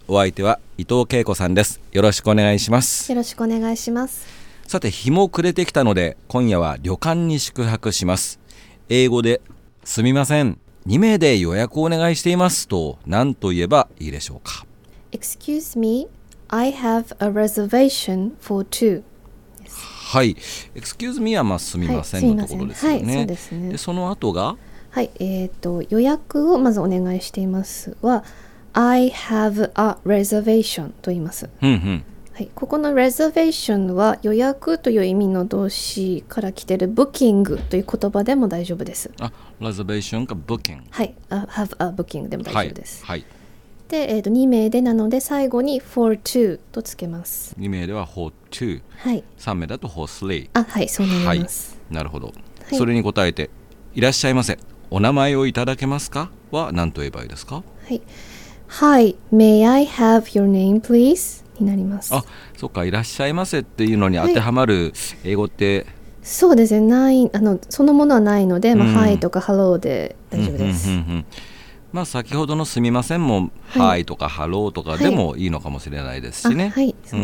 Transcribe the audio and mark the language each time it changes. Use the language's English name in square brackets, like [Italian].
[Japanese] お相手は伊藤恵子さんです。よろしくお願いします。よろしくお願いします。さて、日も暮れてきたので今夜は旅館に宿泊します。英語ですみません、2名で予約をお願いしていますと何と言えばいいでしょうか。 [English] Excuse me, I have a reservation for two. [Japanese] はい、 [English] Excuse me [Japanese] はまあすみませんのところですよね。はい、そうですね。でその後が、はい、予約をまずお願いしていますは [English] I have a reservation [Japanese] と言います。うんうん、はい、ここの reservation は予約という意味の動詞から来ている booking という言葉でも大丈夫です。あ、reservation か booking。はい、 [English] have a booking [Japanese] でも大丈夫です。はい。はい、で、2名でなので最後に [English] for two [Japanese] とつけます。 2名では [English] for two。 [Japanese] はい。 3名だと [English] for three。 [Japanese] あ、はい、そうなります。はい、なるほど、はい。それに答えて、いらっしゃいませ。お名前をいただけますかは何と言えばいいですか。はい。 [English] Hi, may I have your name, please? [Japanese] になります。あ、そうか、いらっしゃいませっていうのに当てはまる英語って、はい、そうですね、ない、そのものはないので、まあ、はいとかハローで大丈夫です。まあ先ほどのすみませんも、はい、はいとかハローとかでもいいのかもしれないですしね。はい、